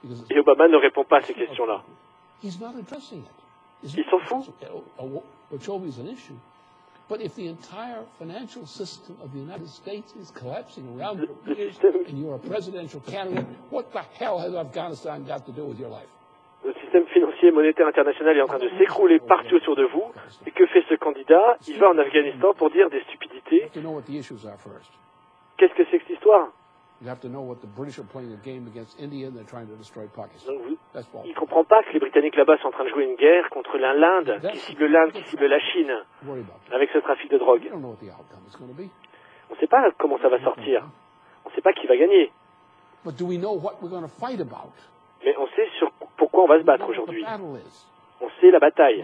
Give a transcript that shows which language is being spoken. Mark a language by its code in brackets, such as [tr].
[fr] Et Obama ne répond pas à ces questions-là. Il s'en fout. [en] But if the entire financial system of the United States is collapsing around and you're a presidential candidate, what the hell has Afghanistan got to do with your life? [fr] Le système financier et monétaire international est en train de s'écrouler partout autour de vous. Et que fait ce candidat? Il va en Afghanistan pour dire des stupidités. [en] You have to know what the issues are first. [fr] Qu'est-ce que c'est que l'histoire? [en] You have to know what the British are playing a game against India and they're trying to destroy Pakistan. [fr] Il ne comprend pas que les Britanniques là-bas sont en train de jouer une guerre contre l'Inde, qui cible l'Inde, qui cible la Chine, avec ce trafic de drogue. On ne sait pas comment ça va sortir. On ne sait pas qui va gagner. Mais on sait sur pourquoi on va se battre aujourd'hui. On sait la bataille.